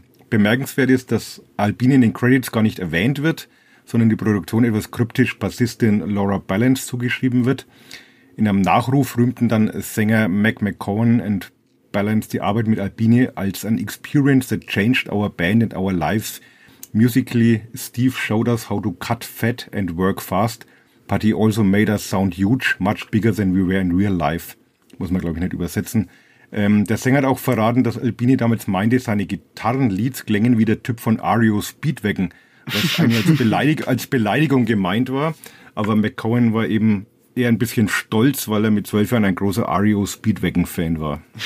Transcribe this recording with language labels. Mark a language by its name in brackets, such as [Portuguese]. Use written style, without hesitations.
[German] Bemerkenswert ist, dass Albini in den Credits gar nicht erwähnt wird, sondern die Produktion etwas kryptisch Bassistin Laura Balance zugeschrieben wird. In einem Nachruf rühmten dann Sänger Mac McCowan und Balance die Arbeit mit Albini als [English] an Experience that changed our band and our lives. Musically, Steve showed us how to cut fat and work fast, but he also made us sound huge, much bigger than we were in real life. [German] Muss man, glaube ich, nicht übersetzen. Der Sänger hat auch verraten, dass Albini damals meinte, seine Gitarrenleads klängen wie der Typ von REO Speedwagon, was eigentlich als Beleidigung gemeint war. Aber McCowan war eben eher ein bisschen stolz, weil er mit 12 Jahren ein großer REO Speedwagon-Fan war.